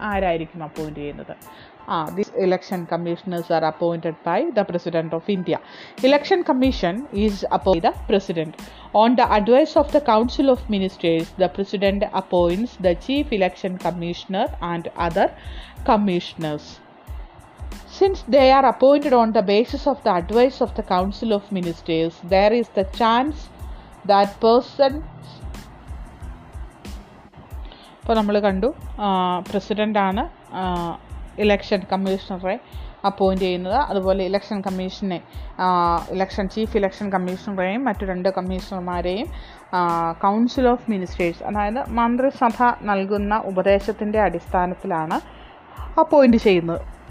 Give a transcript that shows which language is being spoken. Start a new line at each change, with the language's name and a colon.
Malayalam: ആരായിരിക്കും അപ്പോയിൻറ്റ് ചെയ്യുന്നത്?
English: This election commissioners are appointed by the president of India. Election commission is appoint the president on the advice of the council of ministers. The president appoints the chief election commissioner and other commissioners. Since they are appointed on the basis of the advice of the Council of Ministers, there is the chance that persons
Malayalam: അപ്പോൾ നമ്മൾ കണ്ടു പ്രസിഡൻ്റാണ് election കമ്മീഷണറെ appoint ചെയ്യുന്നത്, അതുപോലെ election കമ്മീഷനെ election chief election കമ്മീഷണറെയും മറ്റു രണ്ട് കമ്മീഷണർമാരെയും council of ministers അതായത് മന്ത്രിസഭ നൽകുന്ന ഉപദേശത്തിൻ്റെ അടിസ്ഥാനത്തിലാണ് അപ്പോയിൻ്റ് ചെയ്യുന്നത്.